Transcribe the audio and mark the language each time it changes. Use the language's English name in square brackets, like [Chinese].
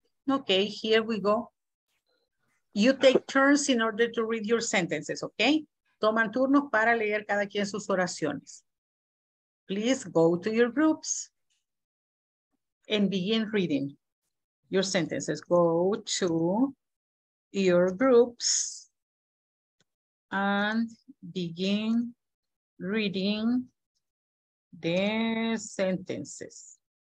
[English] Okay, here we go. You take turns in order to read your sentences, okay? [Spanish] Toman turnos para leer cada quien sus oraciones. [English] Please go to your groups and begin reading your sentences. Go to your groups and begin reading the sentences.